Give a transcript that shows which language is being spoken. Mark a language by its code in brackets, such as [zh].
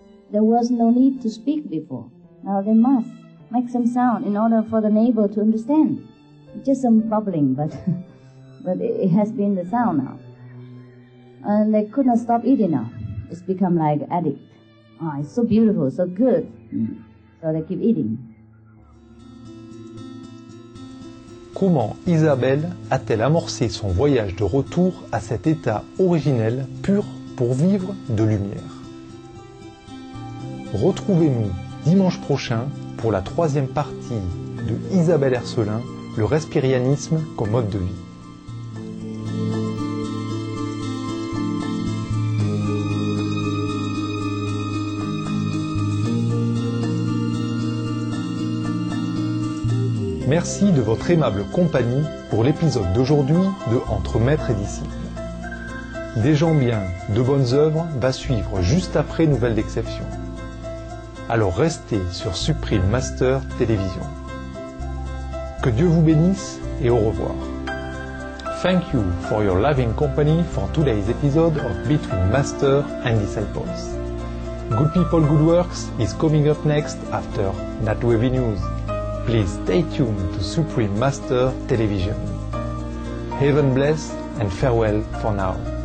[en] There was no need to speak before. Now they must make some sound in order for the neighbor to understand. Just some bubbling, but it has been the sound now. And they could not stop eating now. It's become like addict. Oh, it's so beautiful, so good. So they keep eating. [fr] Comment Isabelle a-t-elle amorcé son voyage de retour à cet état originel pur pour vivre de lumière? Retrouvez-nous dimanche prochain pour la troisième partie de Isabelle Hercelin, le respirianisme comme mode de vie. Merci de votre aimable compagnie pour l'épisode d'aujourd'hui de Entre Maître et Disciple. Des gens bien, de bonnes œuvres va suivre juste après Nouvelles d'Exception. Alors restez sur Supreme Master Télévision. Que Dieu vous bénisse et au revoir. [en] Thank you for your loving company for today's episode of Between Master and Disciples. Good People Good Works is coming up next after NatWavy News. Please stay tuned to Supreme Master Television. Heaven bless and farewell for now.